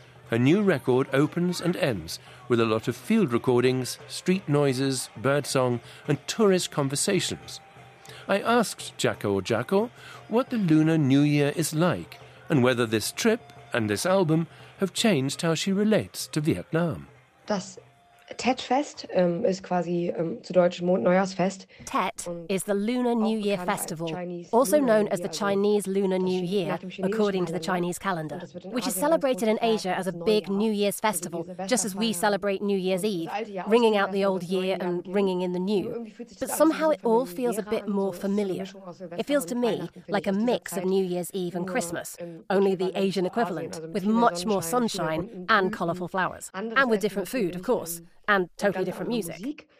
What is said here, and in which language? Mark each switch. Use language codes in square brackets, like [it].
[en] Her new record opens and ends with a lot of field recordings, street noises, birdsong, and tourist conversations. I asked Jaco Jaco what the Lunar New Year is like, and whether this trip and this album have changed how she relates to Vietnam. [de] Das Tet-Fest ist quasi zu Deutsch Mondneujahrsfest. [en] Tet is the Lunar New Year Festival, also known as the Chinese Lunar New Year, according to the Chinese calendar, which is celebrated in Asia as a big New Year's festival, just as we celebrate New Year's Eve, ringing out the old year and ringing in the new. But somehow it all feels a bit more familiar. It feels to me like a mix of New Year's Eve and Christmas, only the Asian equivalent, with much more sunshine and colorful flowers, and with different food, of course, and totally different music.